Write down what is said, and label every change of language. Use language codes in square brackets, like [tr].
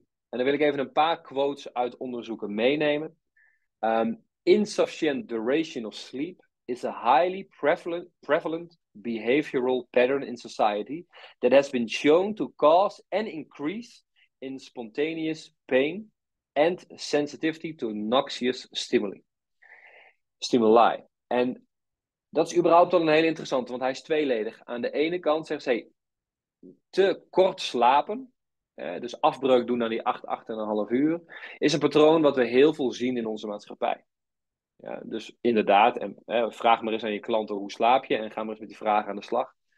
[nl] En dan wil ik even een paar quotes uit onderzoeken meenemen. [en] Insufficient duration of sleep is a highly prevalent behavioral pattern in society that has been shown to cause an increase in spontaneous pain and sensitivity to noxious stimuli. [nl] En dat is überhaupt al een hele interessante, want hij is tweeledig. Aan de ene kant zegt ze te kort slapen. Dus afbreuk doen aan die 8, 8,5 uur, is een patroon wat we heel veel zien in onze maatschappij. Ja, dus inderdaad, en vraag maar eens aan je klanten hoe slaap je en ga maar eens met die vragen aan de slag.